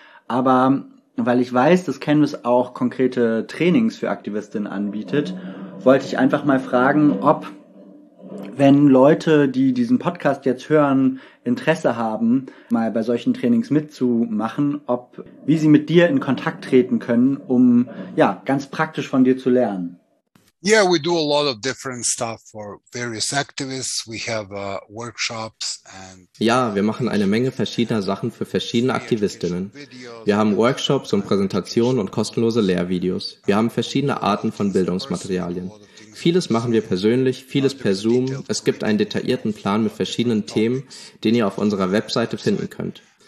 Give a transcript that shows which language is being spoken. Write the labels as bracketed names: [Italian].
[German] Aber weil ich weiß, dass Canvas auch konkrete Trainings für Aktivistinnen anbietet, wollte ich einfach mal fragen, ob, wenn Leute, die diesen Podcast jetzt hören, Interesse haben, mal bei solchen Trainings mitzumachen, ob, wie sie mit dir in Kontakt treten können, um ja ganz praktisch von dir zu lernen. [English] Yeah, we do a lot of different stuff for various activists. We have workshops and. [German] Ja, wir machen eine Menge verschiedener Sachen für verschiedene Aktivistinnen. Wir haben Workshops und Präsentationen und kostenlose Lehrvideos. Wir haben verschiedene Arten von Bildungsmaterialien. Vieles machen wir persönlich, vieles per Zoom. Es gibt einen detaillierten Plan mit verschiedenen Themen, den ihr auf unserer Webseite finden könnt.